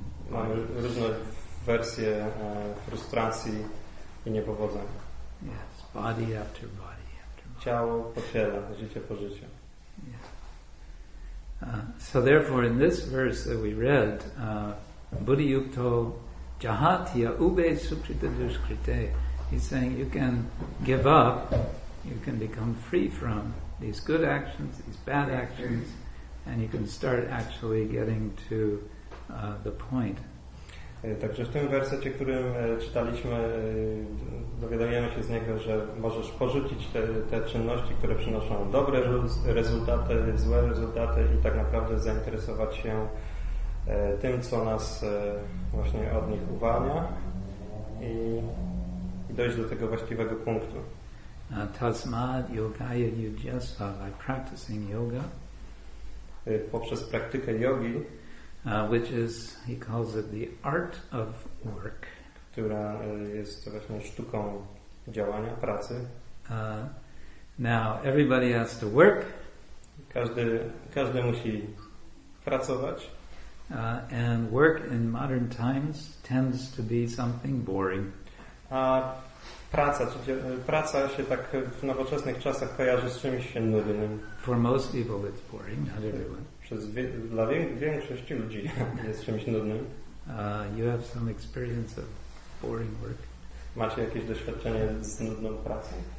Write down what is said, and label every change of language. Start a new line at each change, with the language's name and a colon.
Polish: Mamy różne wersje frustracji i niepowodzeń.
English: Yes, body after body after body.
Polish: Ciało po ciele, życie po życiu.
English: So therefore, in this verse that we read,
Sanskrit: Buddha Yukto Jahatya Ube Sukrita Duskrite,
English: he's saying you can give up, you can become free from these good actions, these bad actions, and you can start actually getting to the point.
Polish: Także w tym wersecie, którym czytaliśmy, dowiadujemy się z niego, że możesz porzucić te czynności, które przynoszą dobre rezultaty, złe rezultaty i tak naprawdę zainteresować się tym, co nas właśnie od nich uwalnia i dojść do tego właściwego punktu.
Sanskrit: Tasmad yogaya yujasva,
English: by practicing yoga.
Polish: Poprzez praktykę jogi,
English: Which is, he calls it the art of work.
Polish: Która jest właśnie sztuką działania, pracy.
English: Now everybody has to work.
Polish: Każdy musi pracować.
English: And work in modern times tends to be something boring.
Polish: A praca się tak w nowoczesnych czasach kojarzy z czymś się nudnym.
English: For most people it's boring, not everyone.
Polish: Dla większości ludzi jest czymś nudnym.
English: You have some experience of boring work.
Polish: Macie jakieś doświadczenie z nudną pracą?